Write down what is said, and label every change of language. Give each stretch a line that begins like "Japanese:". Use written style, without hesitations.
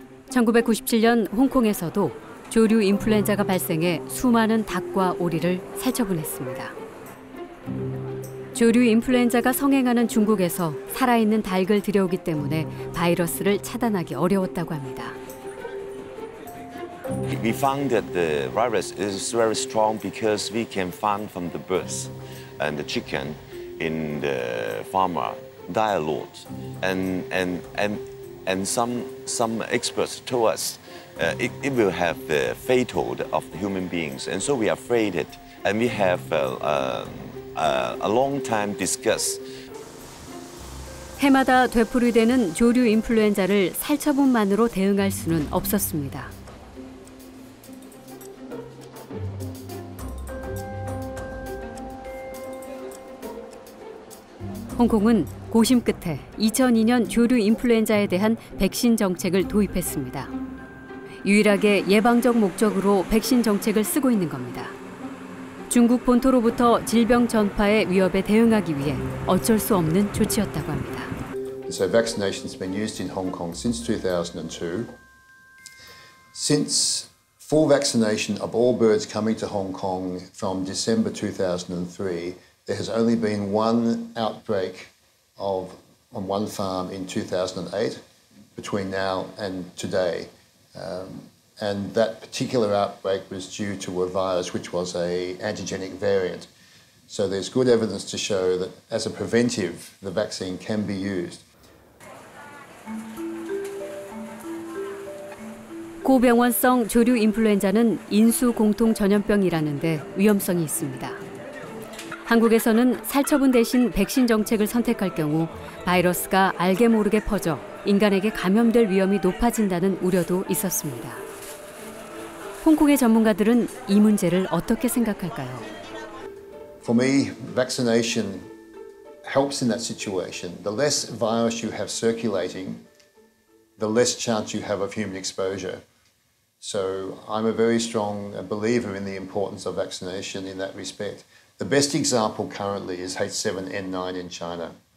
Korean: 1997년 홍콩에서도 조류 인플루엔자가 발생해 수많은 닭과 오리를 살처분했습니다. 조류 인플루엔자가 성행하는 중국에서 살아있는 닭을 들여오기 때문에 바이러스를 차단하기 어려웠다고 합니다.
English: We found that the virus is very strong because we can find from the birds and the chicken in the farmer dialogue and some experts told us it will have the fatal of the human beings and so we are afraid it and we have a long time discuss
Korean: 해마다 되풀이되는 조류 인플루엔자를 살처분만으로 대응할 수는 없었습니다. 홍콩은 고심 끝에 2002년 조류 인플루엔자에 대한 백신 정책을 도입했습니다. 유일하게 예방적 목적으로 백신 정책을 쓰고 있는 겁니다. 중국 본토로부터 질병 전파의 위협에 대응하기 위해 어쩔 수 없는 조치였다고 합니다.
English: So vaccination has been used in Hong Kong since 2002. Since full vaccination of all birds coming to Hong Kong from December 2003, there has only been one outbreak of on one farm in 2008 between now and today and that particular outbreak was due to a virus which was a antigenic variant so there's good evidence to show that as a preventive the vaccine can be used
Korean: 고병원성 조류 인플루엔자는 인수 공통 전염병이라는데 위험성이 있습니다. 한국에서는 살처분 대신 백신 정책을 선택할 경우 바이러스가 알게 모르게 퍼져 인간에게 감염될 위험이 높아진다는 우려도 있었습니다. 홍콩의 전문가들은 이 문제를 어떻게 생각할까요?
English: For me, vaccination helps in that situation. The less virus you have circulating, the less chance you have of human exposure. So I'm a very strong believer in the importance of vaccination in that respect. The best example currently is H7N9 in China.